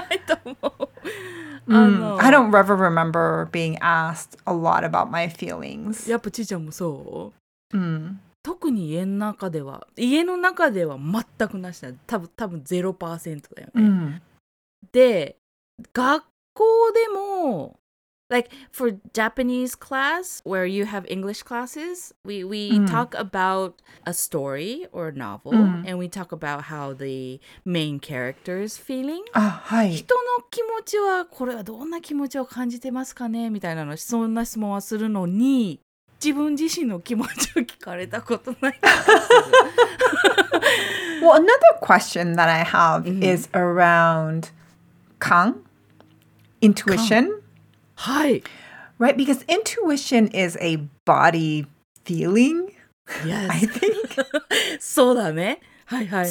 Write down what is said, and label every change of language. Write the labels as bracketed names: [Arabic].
[Japanese] 聞かれたことないと思う。 [English] I don't ever remember being asked a lot about my feelings. [Japanese] やっぱちーちゃんもそう。特に家の中では、家の中では全くなしだ。多分 0% だよね。で、学校でも、 [English] like for Japanese class where you have English classes, we talk about a story or a novel and we talk about how the main character is feeling. Ah, hi. [Japanese] 人の気持ちはこれはどんな気持ちを感じてますかねみたいなの、そんな質問はするのに、自分自身の気持ちを聞かれたことない。 [English] Well, another question that I have is around kan, intuition. Kan. Hi. Right, because intuition is a body feeling. Yes. I think. [Japanese] そうだね。はいはいはい。